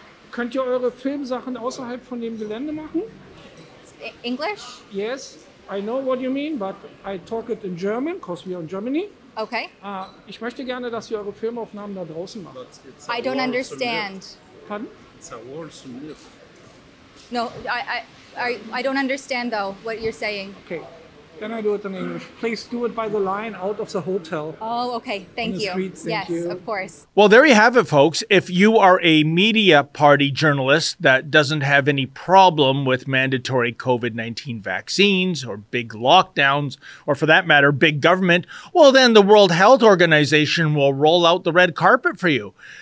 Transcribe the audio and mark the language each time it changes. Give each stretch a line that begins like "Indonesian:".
German: Könnt ihr eure Filmsachen außerhalb von dem Gelände machen?
English: English? Yes, I know what you mean, but I talk it in German, because we are in Germany. Okay.
German: Ich möchte gerne, dass ihr eure Filmaufnahmen da draußen macht.
English: I don't understand. Pardon? It's a wall to live. No, I don't understand though what you're saying. Okay, then I do it in English. Please do it by the line out of the hotel. Oh, okay. Thank you. Of course. Well, there you have it, folks. If you are a media party journalist that doesn't have any problem with mandatory COVID-19 vaccines or big lockdowns, or for that matter, big government, well, then the World Health Organization will roll out the red carpet for you.